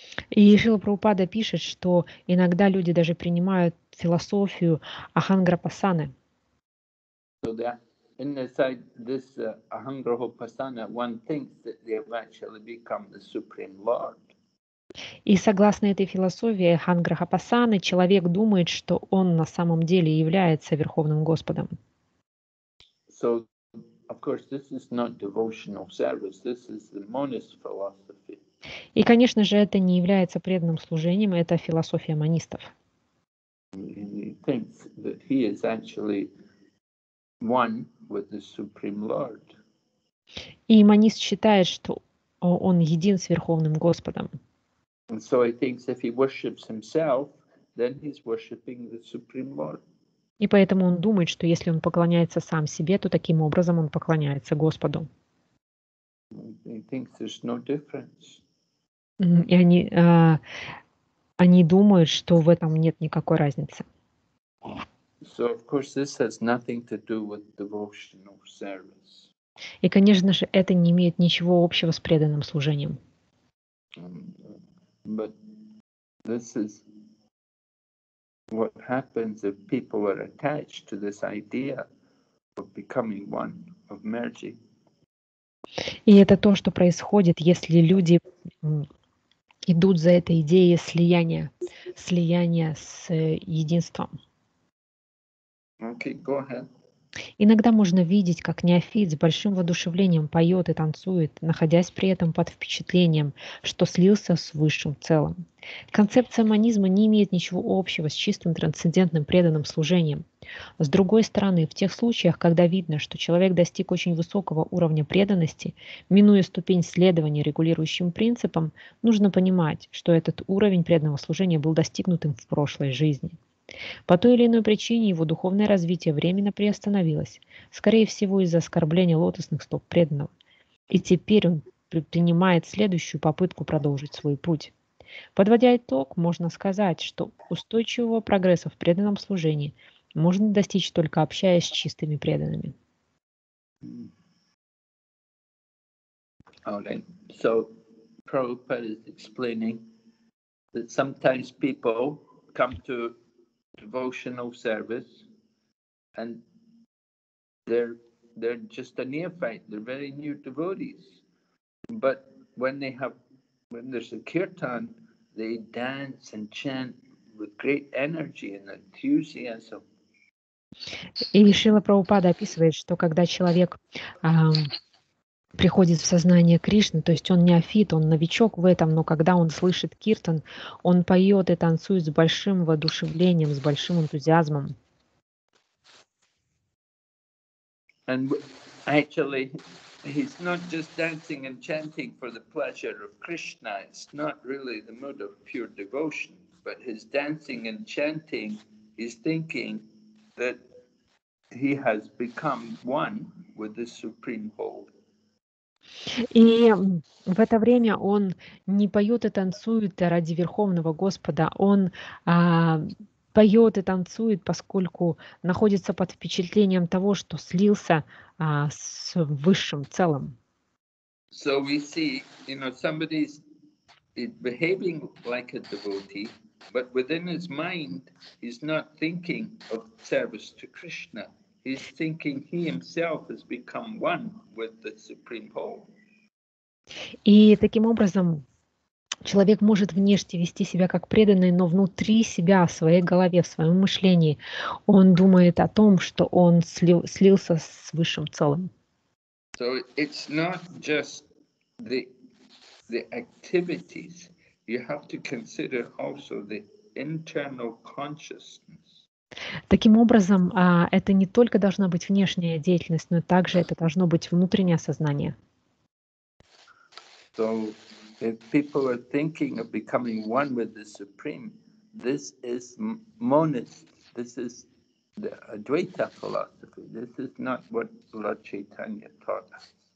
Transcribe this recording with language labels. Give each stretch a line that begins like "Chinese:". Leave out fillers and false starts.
Russian: И Шрила Прабхупада пишет, что иногда люди даже принимают философию ануграхопасаны.
English: So that inside this anugrahopasana, one thinks that they eventually become the supreme lord.
Russian: И согласно этой философии ануграхопасаны, человек думает, что он на самом деле является Верховным Господом.
English: So, of course, this is not devotional service. This is the monist philosophy.
Russian: И, конечно же, это не является преданным служением, это философия монистов.
English: He thinks that he is actually one with the supreme lord.
Russian: И монист считает, что он един с Верховным Господом.
English: And so he thinks if he worships himself, then he's worshiping the supreme lord.
Russian: И поэтому он думает, что если он поклоняется сам себе, то таким образом он поклоняется Господу.
English: He thinks there's no difference.
Russian: И они думают, что в этом нет никакой разницы.
English: So, of course, this has nothing to do with devotional service.
Russian: И, конечно же, это не имеет ничего общего с преданным служением.
English: But this is what happens if people are attached to this idea of becoming one, of merging.
Russian: И это то, что происходит, если люди идут за этой идеей слияния с единством.
English: Okay, go ahead.
Russian: Иногда можно видеть, как неофит с большим воодушевлением поет и танцует, находясь при этом под впечатлением, что слился с высшим целым. Концепция монизма не имеет ничего общего с чистым трансцендентным преданным служением. С другой стороны, в тех случаях, когда видно, что человек достиг очень высокого уровня преданности, минуя ступень следования регулирующим принципам, нужно понимать, что этот уровень преданного служения был достигнут им в прошлой жизни. По той или иной причине его духовное развитие временно приостановилось, скорее всего из-за оскорбления лотосных стоп преданного, и теперь он предпринимает следующую попытку продолжить свой путь. Подводя итог, можно сказать, что устойчивого прогресса в преданном служении можно достичь только общаясь с чистыми преданными.
English: Okay. So, Prabhupada is explaining that sometimes people come to devotional service and they're just a neophyte, they're very new devotees, but when there's a kirtan, they dance and chant with great energy and enthusiasm.
Russian: И Шрила Прабхупада описывает, что когда человек приходит в сознание Кришны, то есть он неофит, он новичок в этом, но когда он слышит киртан, он поет и танцует с большим воодушевлением, с большим энтузиазмом.
English: And actually, he's not just dancing and chanting for the pleasure of Krishna. It's not really the mood of pure devotion, but his dancing and chanting is thinking that he has become one with the Supreme Lord.
Russian: И в это время он не поет и танцует ради Верховного Господа, он поет и танцует, поскольку находится под впечатлением того, что слился с высшим целым.
English: So we see, you know, somebody is behaving like a devotee, but within his mind he's not thinking of service to Krishna. He's thinking he himself has become one with the Supreme Lord.
Russian: И таким образом человек может внешне вести себя как преданный, но внутри себя, в своей голове, в своем мышлении, он думает о том, что он слился с высшим целым.
English: So it's not just the activities. You have to consider also the internal consciousness.
Russian: Таким образом, это не только должна быть внешняя деятельность, но также это должно быть внутреннее сознание.
English: So, if people are thinking of becoming one with the Supreme, this is monist, this is the Advaita philosophy, this is not what Lord Chaitanya taught us.